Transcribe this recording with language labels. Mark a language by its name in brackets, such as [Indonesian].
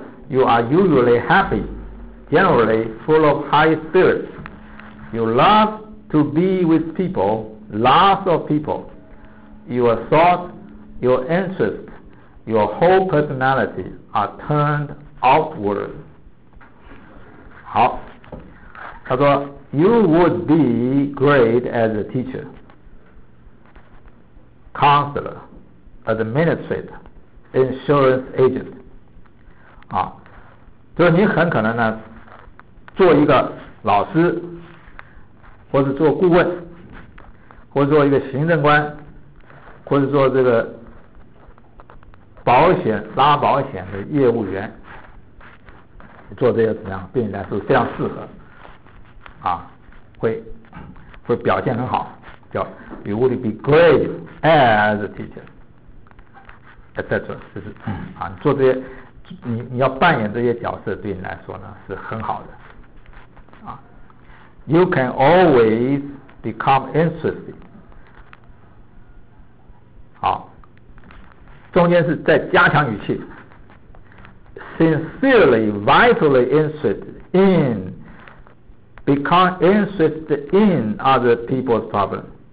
[English] you are usually happy generally full of high spirits you love to be with people lots of peopleYour thought, your interest, your whole personality are turned outward. [Chinese] 好，他说 [English] You would be great as a teacher, counselor, administrator, insurance agent. [Chinese] 啊，就是你很可能呢，做一个老师，或者做顾问，或者做一个行政官。或者说这个保险拉保险的业务员做这些怎么样对你来说非常适合啊会表现很好叫 [English] You would be great as a teacher [Chinese] etc 就是啊你做这些你要扮演这些角色对你来说呢是很好的啊 [English] You can always become interested [Chinese] 好中间是在加强语气 [English] sincerely, vitally interested in, become interested in other people's problems.